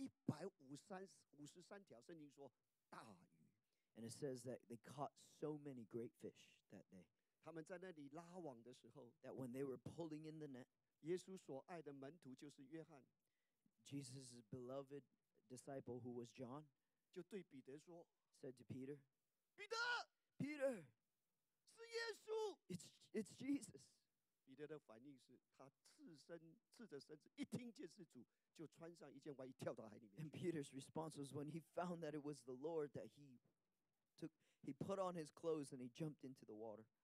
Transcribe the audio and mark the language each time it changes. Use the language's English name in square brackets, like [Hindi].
[Chinese] 那个时候他们捕了153条, 圣经说, 大鱼。 [English] And it says that they caught so many great fish that day. [Chinese] 他们在那里拉网的时候, [English] that when they were pulling in the net, [Chinese] 耶稣所爱的门徒就是约翰, [English] Jesus' beloved disciple who was John, [Chinese] 就对彼得说, [English] said to Peter, [Chinese] 彼得! [English] Peter, [Chinese] 是耶稣! [English] It's Jesus. [Chinese] 彼得的反应是, 他赤身赤着身子一听见是主, 就穿上一件外衣跳到海里面去。 [English] And Peter's response was when he found that it was the Lord that he put on his clothes and he jumped into the water.